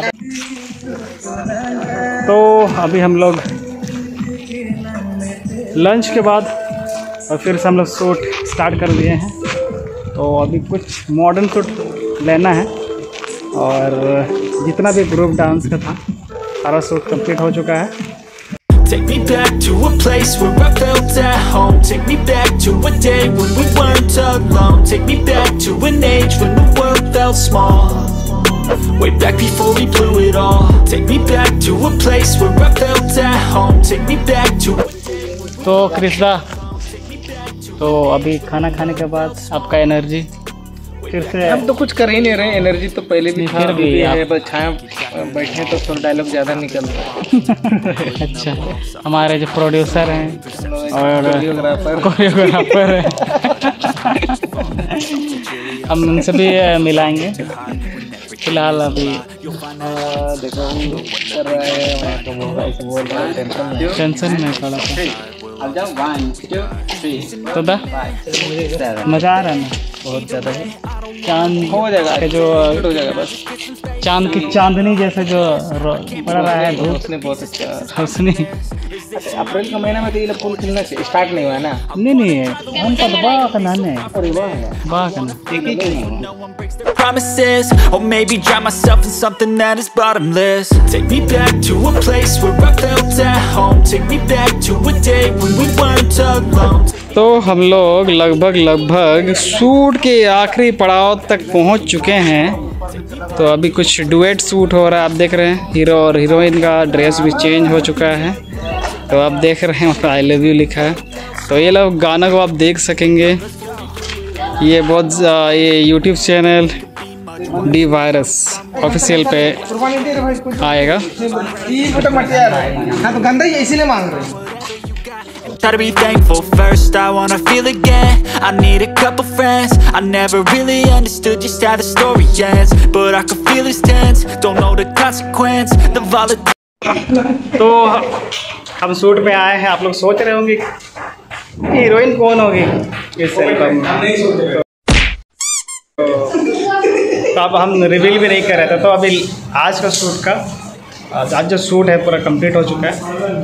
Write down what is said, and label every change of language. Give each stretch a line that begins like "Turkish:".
Hindi: तो अभी हम लोग लंच के बाद और फिर से हम लोग शूट स्टार्ट कर दिए हैं। तो अभी कुछ मॉडर्न शूट लेना है और जितना भी ग्रुप डांस का था सारा शूट कंप्लीट हो चुका है।
English: Take me back to a place where I felt at home. Take me back to a day when we weren't alone. Take me back to an age when the world felt small. Way back before we blew it all. Take me back to a place where I felt at home. Take me back to a day when we weren't alone.
Hindi: तो अभी खाना खाने के बाद आपका energy फिर से? हम तो कुछ कर ही नहीं रहे, एनर्जी तो पहले भी था, अभी भी है। छाया बैठे तो थोड़ा डायलॉग ज़्यादा निकल रहा है। अच्छा, हमारे जो प्रोड्यूसर हैं और कोरियोग्राफर हैं, हम उनसे भी मिलाएंगे। फिलहाल अभी देखो कर रहे हैं, टेंशन में थोड़ा सा।
English: One, two, three,
Hindi: मजा आ रहा है ना? बहुत ज़्यादा है। चांद हो जाएगा, जो छूट हो जाएगा बस। चांद की चांदनी जैसा जो पड़ रहा है, उसने बहुत अच्छा उसने। अप्रैल का महीना में तो ये लोग फूल खिलना स्टार्ट नहीं हुआ ना? नहीं नहीं, हम तो वाह करना है, वाह करना।
English: Promises, or maybe drown myself in something that is bottomless. Take me back to a place where I felt at home. Take me back to a day when we weren't alone.
Hindi: तो हम लोग लगभग shoot के आखिरी पड़ाव तक पहुंच चुके हैं। तो अभी कुछ डुएट शूट हो रहा है, आप देख रहे हैं। हीरो और हीरोइन का ड्रेस भी चेंज हो चुका है, तो आप देख रहे हैं आई लव यू लिखा है। तो ये लोग गाना को आप देख सकेंगे, ये बहुत ये YouTube channel D virus official पे आएगा।
English: Gotta be thankful first, I wanna feel again. I need a couple friends. I never really understood just how the story ends, but I can feel his tense. Don't know the consequence. The volatility.
Hindi: तो हम shoot पे आए हैं, आप लोग सोच रहे होंगे हीरोइन कौन होगी इस एल्बम में। तो अब हम रिवील भी नहीं कर रहे थे। तो अभी आज का शूट का आज जो शूट है पूरा कंप्लीट हो चुका है।